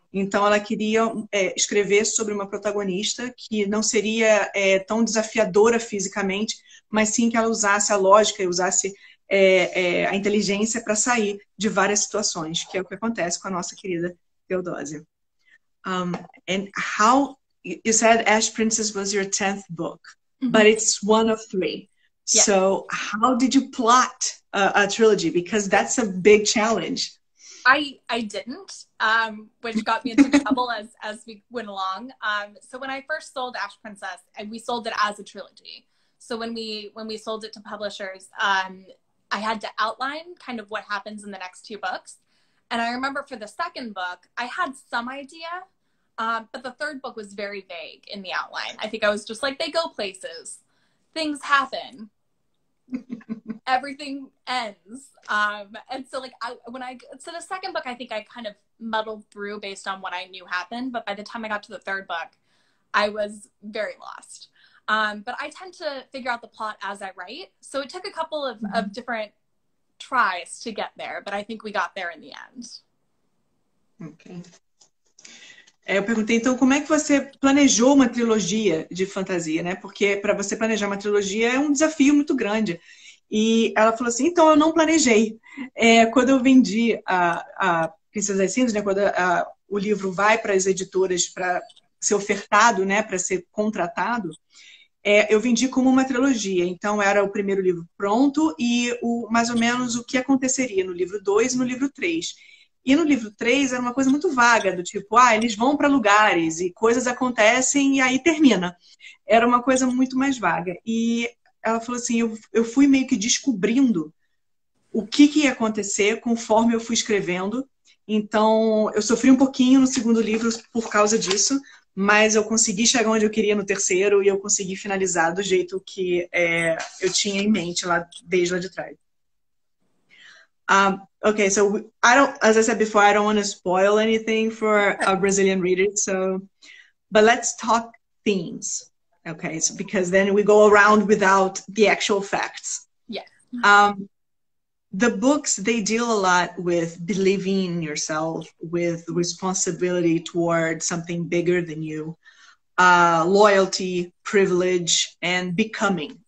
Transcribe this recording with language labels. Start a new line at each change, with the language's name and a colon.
Portuguese: Então ela queria escrever sobre uma protagonista que não seria tão desafiadora fisicamente, mas sim que ela usasse a lógica e usasse a inteligência para sair de várias situações, que é o que acontece com a nossa querida Teodósia.
English: And how you said Ash Princess was your 10th book, but it's one of three. So how did you plot a trilogy? Because that's a big challenge. I didn't, which got me into trouble as we went along. So when I first sold Ash Princess, and we sold it as a trilogy. So when we sold it to publishers, I had to outline kind of what happens in the next two books. And I remember for the second book, I had some idea. But the third book was very vague in the outline. I think I was just like, they go places, things happen, everything ends. And so, like, I when I so the second book, I think I kind of muddled through based on what I knew happened. But by the time I got to the third book, I was very lost. But I tend to figure out the plot as I write. So it took a couple of different tries to get there, but I think we got there in the end.
Portuguese: Eu perguntei então como é que você planejou uma trilogia de fantasia, né? Porque para você planejar uma trilogia é um desafio muito grande. E ela falou assim: então eu não planejei. Quando eu vendi a Princesa das Cinzas, né? Quando o livro vai para as editoras para ser ofertado, né? Para ser contratado. Eu vendi como uma trilogia, então era o primeiro livro pronto e mais ou menos o que aconteceria no livro 2 e no livro 3. E no livro 3 era uma coisa muito vaga, do tipo, ah, eles vão para lugares e coisas acontecem e aí termina. Era uma coisa muito mais vaga. E ela falou assim, eu fui meio que descobrindo o que que ia acontecer conforme eu fui escrevendo Então, eu sofri um pouquinho no segundo livro por causa disso, mas eu consegui chegar onde eu queria no terceiro e eu consegui finalizar do jeito que eu tinha em mente lá desde lá de trás.
English: Okay, so as I said before, I don't want to spoil anything for our Brazilian readers. So, but let's talk themes, okay? So because then we go around without the actual facts. The books, they deal a lot with believing in yourself, with responsibility towards something bigger than you, loyalty, privilege, and becoming.